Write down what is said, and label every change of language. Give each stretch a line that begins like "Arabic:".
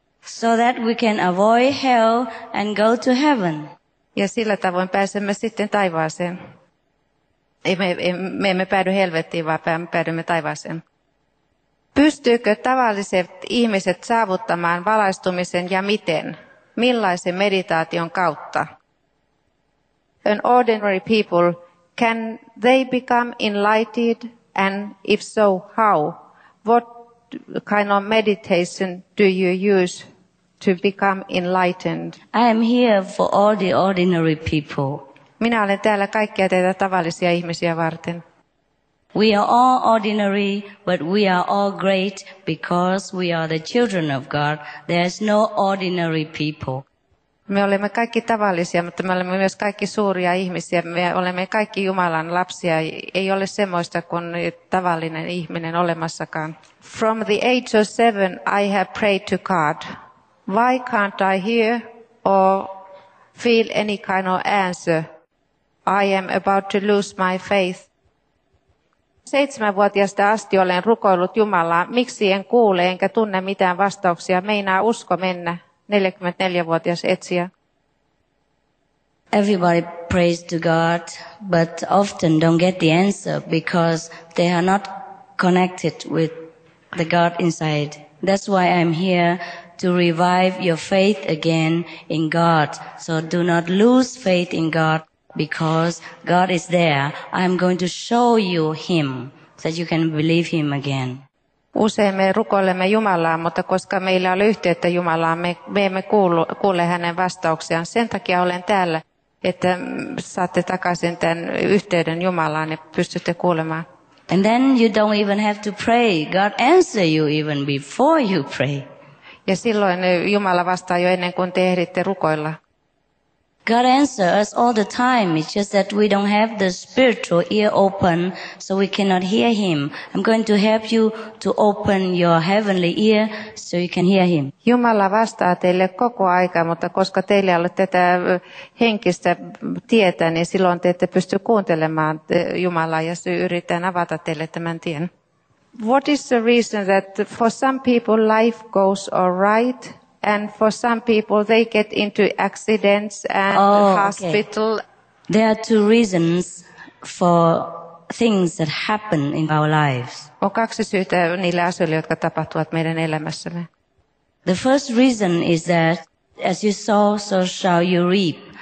English: So that we can avoid hell and go to heaven.
Finnish: Ja sillä tavoin pääsemme sitten taivaaseen. Me emme päädy helvettiin, vaan päädymme taivaaseen. Pystyykö tavalliset ihmiset saavuttamaan valaistumisen ja miten? Millaisen meditaation kautta?
English: An ordinary people, can they become enlightened? And if so, how? What kind of meditation do you use to become enlightened? I am here for all the ordinary people.
Finnish: Minä olen täällä kaikkia teitä tavallisia ihmisiä varten.
English: We are all ordinary, but we are all great because we are the children of God. There is no ordinary people.
Finnish: Me olemme kaikki tavallisia, mutta me olemme myös kaikki suuria ihmisiä. Me olemme kaikki Jumalan lapsia. Ei ole semmoista kuin tavallinen ihminen olemassakaan.
English: From the age of 7, I have prayed to God. Why can't I hear or feel any kind of answer? I am about to lose my faith.
Finnish: 7-vuotiaasta asti olen rukoillut Jumalaa. Miksi en kuule enkä tunne mitään vastauksia? Meinaa usko mennä. 44-vuotias etsiä.
English: Everybody prays to God, but often don't get the answer because they are not connected with the God inside. That's why I'm here to revive your faith again in God. So do not lose faith in God because God is there. I'm going to show you Him so that you can believe Him again.
Finnish: Usein me rukoilemme Jumalaa, mutta koska meillä on yhteyttä Jumalaan, me emme kuule hänen vastauksiaan. Sen takia olen täällä, että saatte takaisin tämän yhteyden Jumalaan ja pystytte kuulemaan.
English: And then you don't even have to pray. God answers you even before you pray.
Finnish: Ja silloin Jumala vastaa jo ennen kuin te ehditte rukoilla.
English: God answers us all the time. It's just that we don't have the spiritual ear open, so we cannot hear Him. I'm going to help you to open your heavenly ear, so you can hear Him.
Finnish: Jumala vastaa teille koko aika, mutta koska teillä ei ole tätä henkistä tietä, niin silloin te ette pysty kuuntelemaan Jumalaa, ja yritän avata teille tämän tien.
English: What is the reason that for some people life goes all right? And for some people, they get into accidents and hospital. Okay. There are two reasons for things that happen in our lives.
Finnish: On kaksi syytä niille asioille, jotka tapahtuvat meidän elämässämme.
English: The first reason is that, as you sow, so shall you reap.